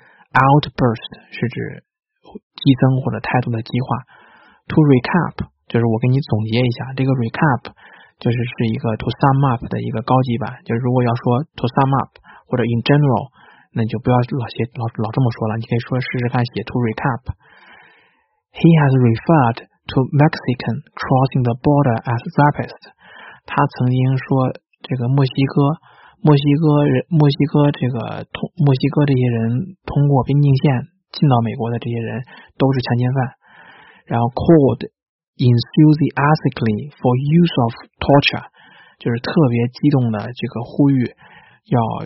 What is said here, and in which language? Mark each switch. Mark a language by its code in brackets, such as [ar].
[zh] Outburst 是指激增或者态度的激化。 [en] To recap [zh] 就是我给你总结一下，这个 recap 就是一个 [en] to sum up [zh] 的一个高级版，就是如果要说 to sum up 或者 [en] in general， [zh] 那就不要老这么说了，你可以说试试看写 to recap。 [en] He has referred to Mexican crossing the border as rapist. [zh] 他曾经说这个墨西哥这些人通过边境线进到美国的这些人都是强奸犯，然后 [en] called enthusiastically for use of torture, [zh] 就是特别激动的这个呼吁要